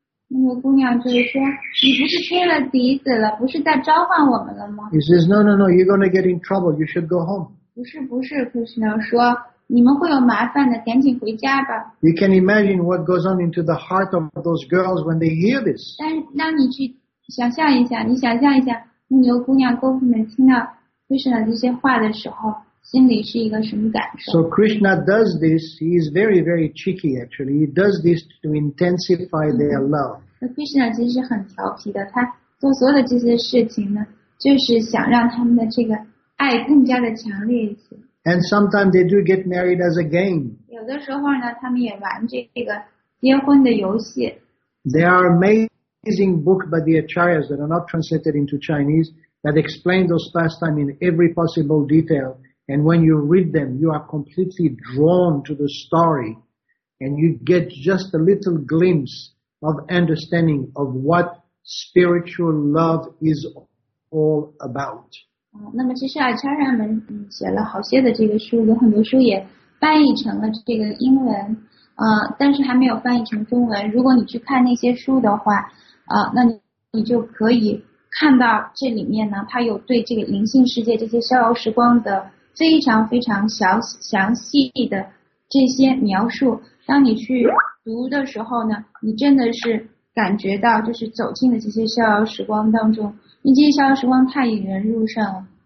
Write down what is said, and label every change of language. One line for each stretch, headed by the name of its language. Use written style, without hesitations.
Chinese: 那个姑娘就说，你不是吹了笛子了，不是在召唤我们了吗？
English: He says, no, you're going to get in trouble, you should go home.
Chinese: 不是 Krishna 说，你们会有麻烦的，赶紧回家吧。
English: You can imagine what goes on into the heart of those girls when they hear this.
Chinese: 但是让你去想象一下，你想象一下，那个姑娘姑父们听到 Krishna 这些话的时候，心里是一个什么感受？
English: So Krishna does this, he is very, very cheeky actually. He does this to intensify their love.
Chinese: 那 Krishna 其实很调皮的，他做所有的这些事情呢，就是想让他们的这个爱更加的强烈一些。
English: And sometimes they do get married as a game.
Chinese: 有的时候呢，他们也玩这个结婚的游戏。
English: There are amazing books by the Acharyas that are not translated into Chinese that explain those pastimes in every possible detail. And when you read them, you are completely drawn to the story and you get just a little glimpse of understanding of what spiritual love is all about.
Chinese: 那么其实啊，家人们写了好些的这个书，有很多书也翻译成了这个英文，但是还没有翻译成中文。如果你去看那些书的话，那你就可以看到这里面呢，它有对这个灵性世界这些逍遥时光的非常非常详细的这些描述，当你去读的时候呢，你真的是感觉到就是走进了这些逍遥时光当中，因为这些逍遥时光太引人入胜了。